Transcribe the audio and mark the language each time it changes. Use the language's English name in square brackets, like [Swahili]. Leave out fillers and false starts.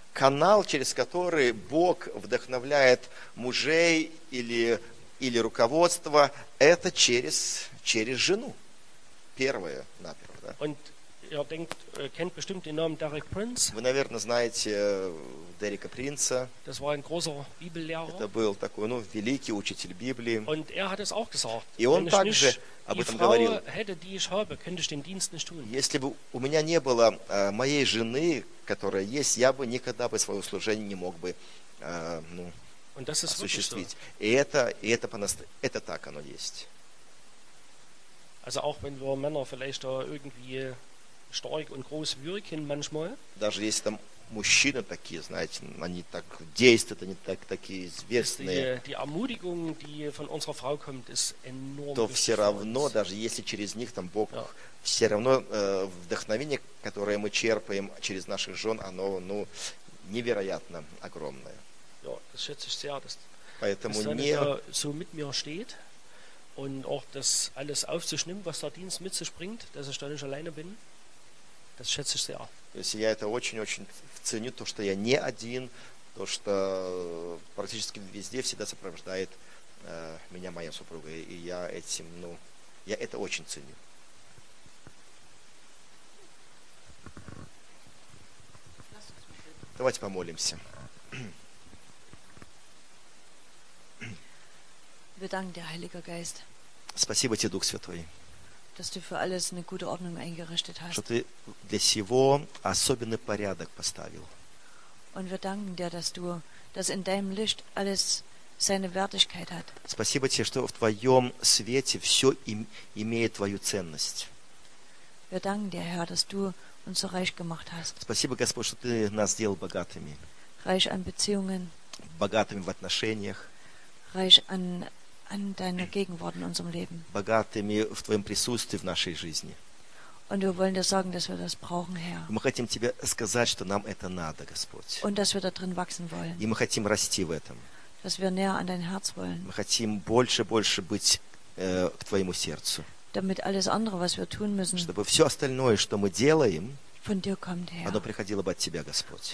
[Russian] Канал, через который Бог вдохновляет мужей или руководство, это через жену. Первое, например. Да? [German] Und ihr denkt, kennt bestimmt den Namen Derek Prince. [Russian] Вы, наверное, знаете Дерека Принца. [German] Das war ein großer Bibellehrer. [Russian] Это был такой, ну, великий учитель Библии. [German] Und er hat es auch gesagt. [Russian] И он также об этом говорил. [German] Wenn ich nicht die Frau hätte, die ich habe, könnte ich den Dienst nicht tun. [Russian] Если бы у меня не было моей жены, которая есть, я бы никогда бы свое служение не мог бы осуществить. [German] So. [Russian] И это так оно есть. [German] Also auch wenn wir Männer vielleicht da irgendwie stark und groß wirken manchmal. [Russian] Даже если там мужчины такие, знаете, они так действуют, они так такие зверственные. [German] Die Ermutigung, die von unserer Frau kommt, ist enorm. [Russian] То все равно, даже если через них там Бог, [German] ja. [Russian] Все равно вдохновение, которое мы черпаем через наших жен, оно, ну, невероятно огромное. [German] Ja, das schätze ich sehr, dass [Russian] поэтому [German] dass [Russian] не [German] so mit mir steht. Und auch das alles aufzunehmen, was der Dienst mit sich bringt, dass ich da nicht alleine bin. Das schätze ich sehr. [Russian] Я это очень-очень ценю, то, что я не один, то, что практически везде всегда сопровождает меня моя супруга, и я этим, ну, я это очень ценю. Давайте помолимся. [German] Wir danken dir, Heiliger Geist. [Russian] Спасибо тебе, Дух Святой. [German] Dass du für alles eine gute Ordnung eingerichtet hast. [Russian] Что ты для всего особенный порядок поставил. [German] Und wir danken dir, dass in deinem Licht alles seine Wertigkeit hat. [Russian] Спасибо тебе, что в твоем свете все имеет твою ценность. [German] Wir danken dir, Herr, dass du uns so reich gemacht hast. [Russian] Спасибо, Господь, что ты нас сделал богатыми. [German] Reich an Beziehungen. [Russian] Богатыми в отношениях. [German] Reich an deiner Gegenwart in unserem Leben. [Russian] Богатыми в твоем присутствии в нашей жизни. [German] Und wir wollen dir sagen, dass wir das brauchen, Herr. [Russian] Мы хотим тебе сказать, что нам это надо, Господь. [German] Und dass wir da drin wachsen wollen. [Russian] И мы хотим расти в этом. [German] Dass wir näher an dein Herz wollen. [Russian] Мы хотим больше быть к твоему сердцу. [German] Damit alles andere, was wir tun müssen, [Russian] чтобы все остальное, что мы делаем, [German] von dir kommt, Herr. [Russian] Оно приходило бы от тебя, Господь.